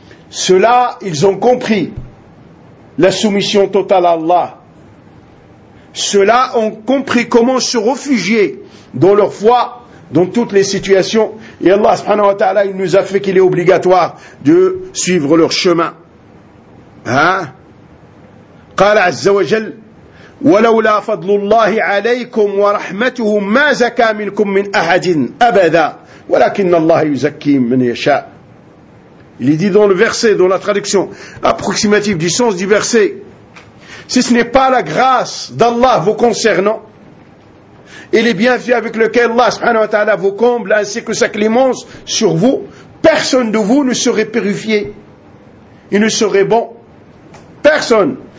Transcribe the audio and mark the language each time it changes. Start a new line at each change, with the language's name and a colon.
French: Ceux-là, ils ont compris la soumission totale à Allah. Ceux-là ont compris comment se réfugier dans leur foi, dans toutes les situations. Et Allah, subhanahu wa ta'ala, il nous a fait qu'il est obligatoire de suivre leur chemin. Hein?
Arabic: قال عز وجل ولولا فضل الله عليكم ورحمته ما زكى منكم من احد ابدا ولكن الله يزكي من يشاء.
French: Il est dit dans le verset, dans la traduction approximative du sens du verset, si ce n'est pas la grâce d'Allah vous concernant, et les bienfaits avec lesquels Allah subhanahu wa ta'ala vous comble ainsi que sa clémence sur vous, personne de vous ne serait purifié. Il ne serait bon. Personne.